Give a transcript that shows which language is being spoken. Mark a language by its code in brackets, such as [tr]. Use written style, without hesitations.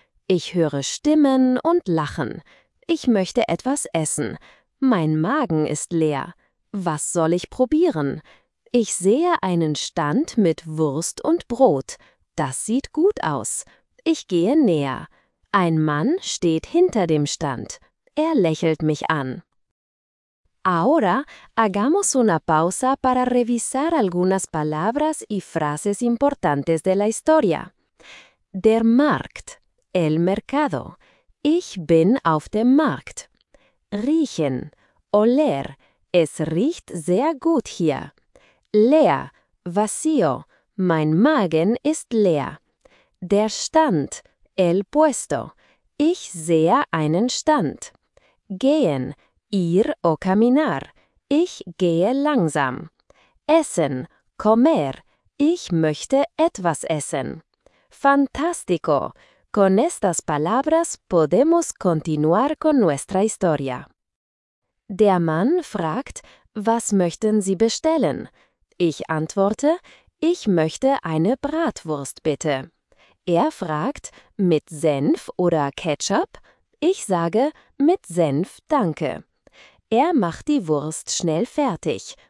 [de] Ich höre Stimmen und Lachen. Ich möchte etwas essen. Mein Magen ist leer. Was soll ich probieren? Ich sehe einen Stand mit Wurst und Brot. Das sieht gut aus. Ich gehe näher. Ein Mann steht hinter dem Stand. Er lächelt mich an. [es] Ahora hagamos una pausa para revisar algunas palabras y frases importantes de la historia. [de] Der Markt. [es] El mercado. [de] Ich bin auf dem Markt. Riechen. Oler. Es riecht sehr gut hier. Leer. Vacío. Mein Magen ist leer. Der Stand. [es] El puesto. [de] Ich sehe einen Stand. Gehen. [es] Ir o caminar. [de] Ich gehe langsam. Essen. Comer. Ich möchte etwas essen. Fantástico. [es] Con estas palabras podemos continuar con nuestra historia. [de] Der Mann fragt, was möchten Sie bestellen? Ich antworte, ich möchte eine Bratwurst bitte. Er fragt, mit Senf oder Ketchup? Ich sage, mit Senf danke. Er macht die Wurst schnell fertig.